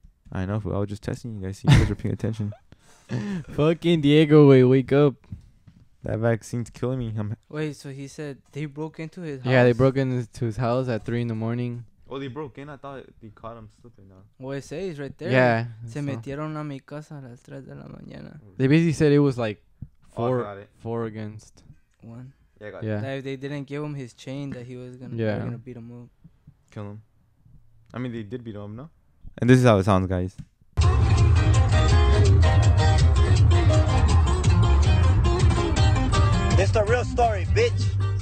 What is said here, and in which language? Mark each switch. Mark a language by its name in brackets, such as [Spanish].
[English] I know, but I was just testing you guys. See, you guys are paying attention. Fucking Diego, wait, wake up. That vaccine's killing me. Wait, so he said they broke into his house? Yeah, they broke into his house at 3 a.m. Oh, they broke in. I thought they caught him slipping. Well, it says right there. Yeah. [Spanish] Se metieron a mi casa a las 3 de la mañana. [English] They basically said it was like four against one. Yeah, got it. Like they didn't give him his chain that he was going to beat him up. Kill him. I mean, they did beat him, no? And this is how it sounds, guys. It's the real story, bitch.